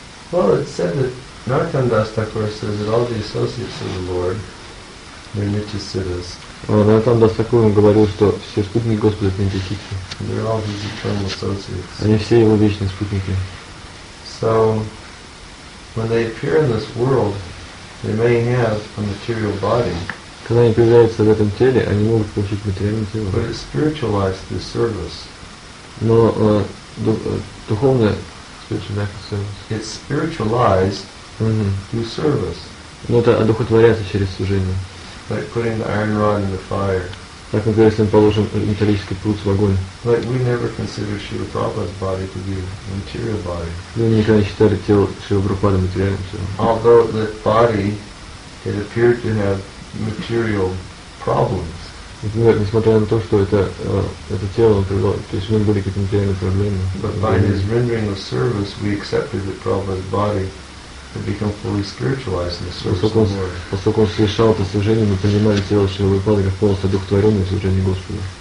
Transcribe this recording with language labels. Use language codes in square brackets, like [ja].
[en] Well, it's said that Narottam Das Thakur says that all the associates of the Lord, they're nityasiddhas. [ru] Наратам Дас Такур говорил, что все спутники Господа — это нитисиддхи. [en] They're all his eternal associates. [ru] Они все его вечные спутники. [en] So, when they appear in this world, they may have a material body. [ru] Когда они появляются в этом теле, они могут получить материальное тело. [en] But it's spiritualized through service. [ru] Но духовное [en] spiritualized service. It's spiritualized through service. [ru] Но это одухотворяется через служение. [en] Like putting the iron rod in the fire. [ru] Так, например, если мы положим металлический пруд в огонь. [en] Like we never consider Śrīla Prabhupāda's body to be a material body. [ru] Мы никогда не считали тело Śrīla Prabhupāda материальным телом. [en] Although the body, it appeared to have material problems. [ru] Например, несмотря на то, что это тело, то есть у него были какие-то материальные проблемы. [en] But by his rendering of service, we accepted that Prabhupāda's body to become fully spiritualized in the service of the Lord. [ru] Поскольку он совершал это служение, мы понимали тело Śrīla Prabhupāda как полностью одухотворённое служение Господа.